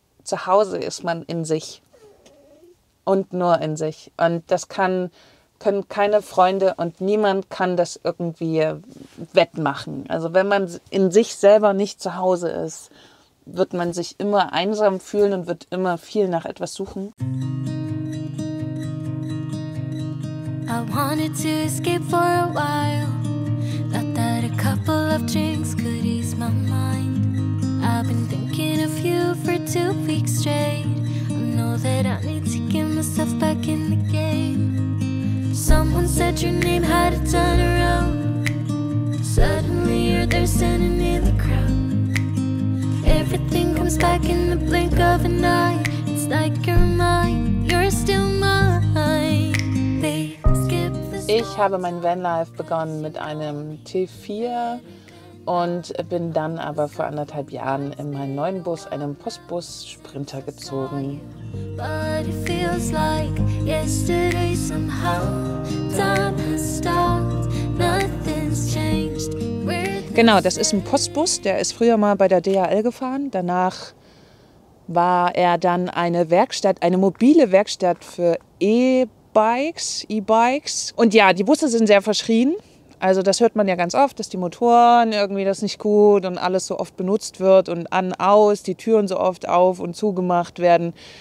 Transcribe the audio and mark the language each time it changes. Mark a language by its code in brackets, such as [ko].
[de] zu Hause ist man in sich und nur in sich. Und das können keine Freunde und niemand kann das irgendwie wettmachen. Also wenn man in sich selber nicht zu Hause ist, wird man sich immer einsam fühlen und wird immer viel nach etwas suchen. [en] I wanted to escape for a while. Thought that a couple of drinks could ease my mind. I've been thinking of you for 2 weeks straight. I know that I need to get myself back in the game. Someone said your name had a turn around. Suddenly you're there standing in the crowd. Everything comes back in the blink of an eye. It's like you're mine, you're still mine. They skip the song. [de] Ich habe mein Vanlife begonnen mit einem T4 und bin dann aber vor 1,5 Jahren in meinen neuen Bus, einem Postbus Sprinter, gezogen. [en] But it feels like yesterday somehow. Time has stopped, nothing's changed. [de] Genau, das ist ein Postbus, der ist früher mal bei der DHL gefahren. Danach war er dann eine Werkstatt, eine mobile Werkstatt für E-Bikes. Und ja, die Busse sind sehr verschrien. Also das hört man ja ganz oft, dass die Motoren irgendwie das nicht gut und alles so oft benutzt wird und an, aus, die Türen so oft auf und zugemacht werden.